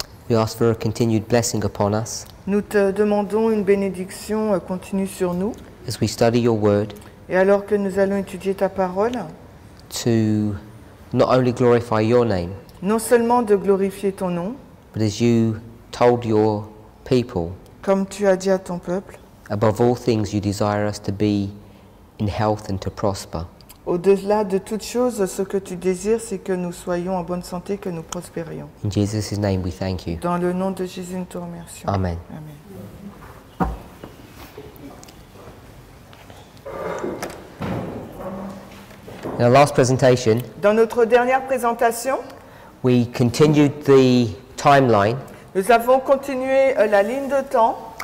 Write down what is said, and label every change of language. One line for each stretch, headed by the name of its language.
English: We ask for a continued blessing upon us.
French: Nous te demandons une bénédiction continue sur nous.
English: As we study your word.
French: Et alors que nous allons étudier ta parole.
English: To not only glorify your name.
French: Non seulement de glorifier ton nom.
English: But as you told your people.
French: Comme tu as dit à ton peuple.
English: Above all things, you desire us to be in health and to prosper.
French: Au-delà de toutes choses, ce que tu désires, c'est que nous soyons en bonne santé, que nous prospérions.
English: In Jesus' name we thank you.
French: Dans le nom de Jésus, nous te remercions.
English: Amen. Amen. In our last presentation,
French: dans notre dernière présentation,
English: we continued the timeline.
French: Nous avons continué la ligne de temps.